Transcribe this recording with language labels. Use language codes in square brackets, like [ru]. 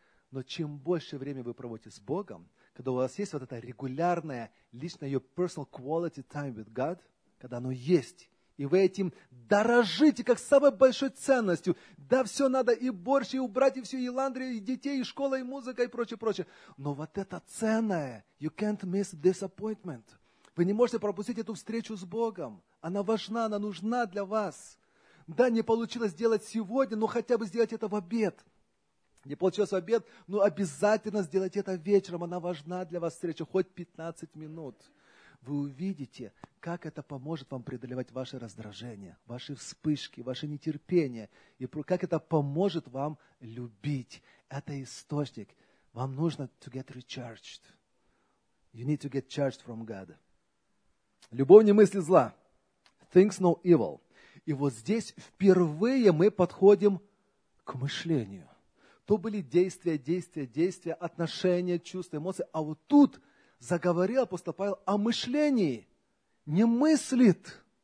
[ru] Но чем больше времени вы проводите с Богом, когда у вас есть вот это регулярное, личное, [en] your personal quality time with God, [ru] когда оно есть, и вы этим дорожите, как самой большой ценностью, да, все надо, и борщ, и убрать, и все, и ландри, и детей, и школа, и музыка, и прочее, прочее. Но вот это ценное, [en] you can't miss this appointment. [ru] Вы не можете пропустить эту встречу с Богом. Она важна, она нужна для вас. Да, не получилось сделать сегодня, но хотя бы сделать это в обед. Не получилось в обед, но обязательно сделать это вечером. Она важна для вас, встреча, хоть 15 минут. Вы увидите, как это поможет вам преодолевать ваши раздражения, ваши вспышки, ваше нетерпение. И как это поможет вам любить. Это источник. Вам нужно [en] to get recharged. You need to get charged from God. [ru] Любовь не мыслит зла. [en] Thinks no evil. [ru] И вот здесь впервые мы подходим к мышлению. То были действия, действия, действия, отношения, чувства, эмоции. А вот тут заговорил апостол Павел о мышлении. Не мыслит.